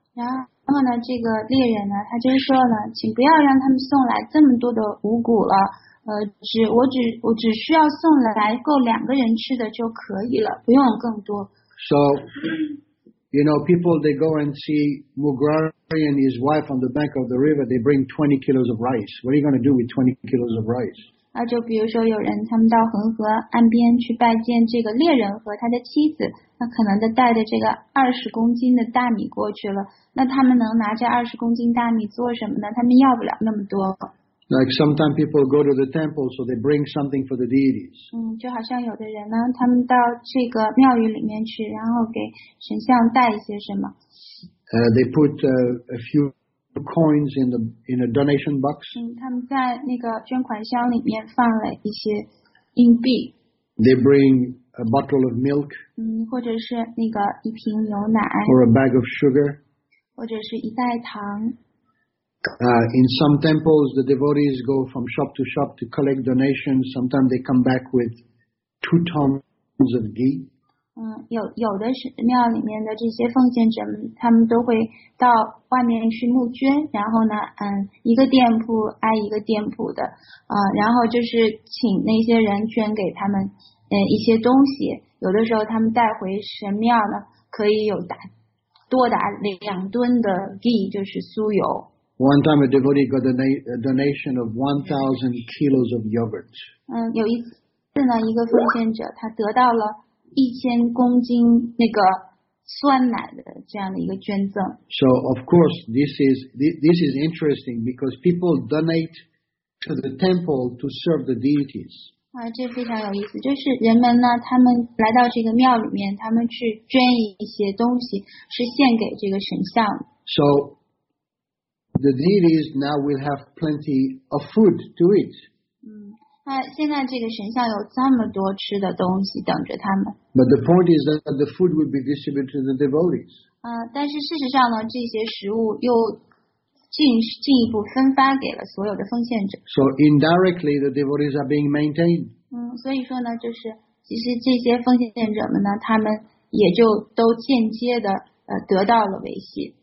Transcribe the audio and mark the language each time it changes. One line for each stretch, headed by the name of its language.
Chinese: 然后呢，这个猎人呢，他就说呢，请不要让他们送来这么多的五谷了。我只需要送来够两个人吃的就可以了，不用更多。
English: So, you know, people they go and see Mugrari and his wife on the bank of the river. They bring 20 kilos of rice. What are you going to do with 20 kilos of rice?
Chinese: 就比如说有人他们到恒河岸边去拜见这个猎人和他的妻子，那可能带着这个20公斤的大米过去了。那他们能拿这20公斤大米做什么呢？他们要不了那么多。
English: Like sometimes people go to the temple, so they bring something for the deities.
Chinese: 就好像有的人呢，他们到这个庙宇里面去，然后给神像带一些什么。
English: They put a few coins in a donation box.
Chinese: 他们在那个捐款箱里面放了一些硬币。
English: They bring a bottle of milk.
Chinese: 或者是那个一瓶牛奶。
English: Or a bag of sugar.
Chinese: 或者是一袋糖。
English: In some temples, the devotees go from shop to shop to collect donations. Sometimes they come back with 2 tons of ghee.
Chinese: 有的庙里面的这些奉献者，他们都会到外面去募捐，然后呢，一个店铺挨一个店铺的，然后就是请那些人捐给他们，一些东西。有的时候他们带回神庙呢，可以有多达2吨的 ghee， 就是酥油。
English: One time a devotee got a donation of 1,000 kilos of yogurt.
Chinese: 有一次呢，一个奉献者他得到了1000公斤那个酸奶的这样的一个捐赠。
English: So of course this is interesting because people donate to the temple to serve the deities.
Chinese: 这非常有意思，就是人们呢，他们来到这个庙里面，他们去捐一些东西，是献给这个神像。 So.
English: The deities now will have plenty of food to eat.
Chinese: 现在这个神像有这么多吃的东西等着他们。
English: But the point is that the food will be distributed to the devotees.
Chinese: 但是事实上呢，这些食物又进一步分发给了所有的奉献者。
English: So indirectly, the devotees are being maintained.
Chinese: 所以说呢，就是其实这些奉献者们呢，他们也就都间接的。得到了维系。